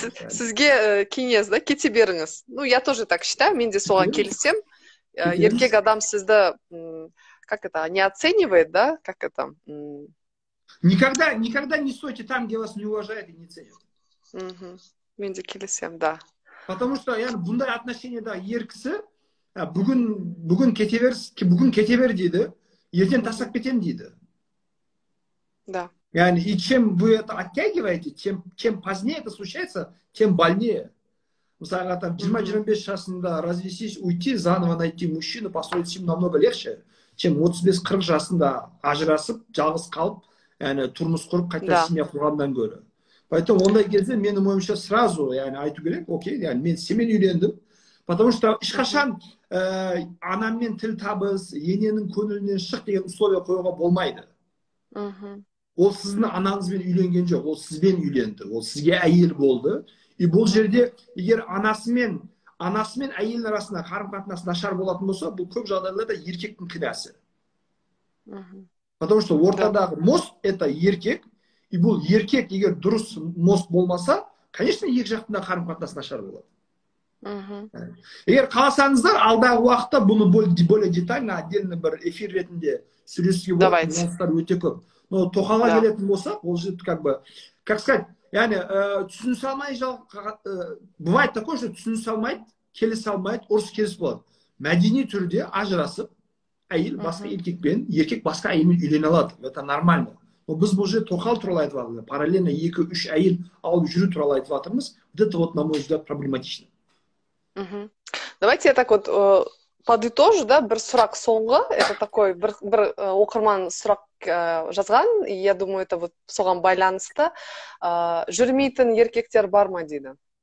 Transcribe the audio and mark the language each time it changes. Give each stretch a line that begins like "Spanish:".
Kazakh: Сізге кеңес, да, кете беріңіз.
Russian: Ну, я тоже так считаю,
Kazakh: мен де соған келісем. Еркек адам сізді,
Russian: как это, не оценивает,
Kazakh: да, как это?
Russian: Никогда, никогда не стойте там, где вас не уважают и не ценят.
Kazakh: Мен де келесем, да.
Russian: Потому что,
Kazakh: яғни, бұндай отношение, да, еркісі, бүгін кете бер дейді, ертең тастап кетем дейді.
Russian: Да. Яғни, и чем вы это оттягиваете, чем позднее это случается, тем больнее. Мысалға, там,
Kazakh: 20-25 жасында
Russian: развесесь, уйти, заново найти мужчину, построить семью намного легче, чем
Kazakh: 35-40 жасында ажырасып, жалғыз қалып, яғни, тұрмыс құрып, қайта семья құрғаннан гөрі. Поэтому ондай кезде менің ойымша сразу, яғни, айту керек, окей, яғни, мен семен үйлендім.
Russian: Потому что
Kazakh: ешқашан анаммен тіл табыс, ененің көңілінен шық деген условия қоюға болмайды. Ол сіздің анаңызбен үйленген жоқ, ол сізбен үйленді, ол сізге әйел болды. И бұл жерде, егер анасымен әйелдің арасында қарым-қатынас нашар болатын болса, бұл көп жағдайларда еркектің кінәсі.
Russian: Потому что
Kazakh: ортадағы мост – это еркек. И бұл еркек, егер дұрыс мост болмаса, конечно, екі жақтында қарым-қатынас нашар болады. Егер қаласаңыздар, алдағы уақытта бұны
Russian: более детально, отдельно
Kazakh: бір эфир ретінде сөйлесуге болатын нәрселер өте көп. Но тоқалға келетін болса, ол жерде
Russian: как бы, как сказать,
Kazakh: яғни, түсінісе алмай,
Russian: бывает такое, что
Kazakh: түсінісе алмайды, келісе алмайды, ұрыс керіс болады. Мәдени түрде ажырасып, әйел басқа еркекпен, еркек басқа әйелмен үйлене алады.
Russian: Это нормально.
Kazakh: Но біз бұл жерде тоқал туралы айтып жатырмыз. Параллельно 2-3 әйел алып жүру туралы айтып жатырмыз.
Russian: Это вот, на мой взгляд, проблематично. Давайте я так вот подытожу, да,
Kazakh: бір сұрақ соңғы.
Russian: Это такой
Kazakh: бір оқырман сұрақ жазған.
Russian: И я думаю, это вот
Kazakh: соған байланысты. Жүрмейтін еркектер бар ма дейді?